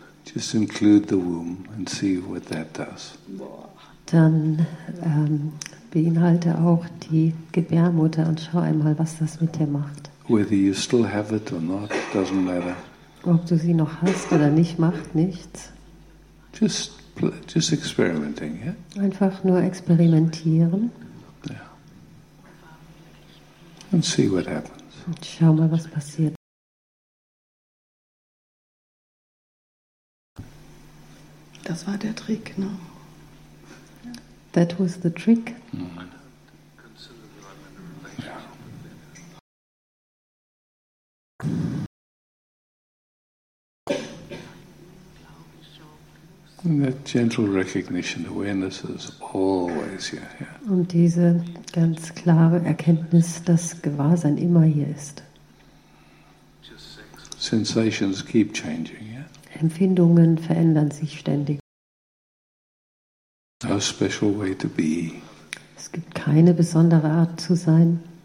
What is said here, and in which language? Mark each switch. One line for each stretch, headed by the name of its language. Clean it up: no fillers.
English: just include the womb and see what that does.
German: dann beinhalte auch die Gebärmutter und schau einmal, was das mit dir macht.
English: Whether you still have it or not, doesn't matter.
German: Ob du sie noch hast oder nicht, macht nichts.
English: Just experimenting, yeah?
German: Einfach nur experimentieren.
English: Yeah. And see what happens.
German: Und schau mal, was passiert. Das war der Trick, ne?
English: That was the trick. And that gentle recognition, awareness is always here. Yeah.
German: Und diese ganz klare Erkenntnis, dass Gewahrsein immer hier ist.
English: Sensations keep changing, yeah?
German: Empfindungen verändern sich ständig.
English: No special way to be.
German: Es gibt keine besondere Art zu sein.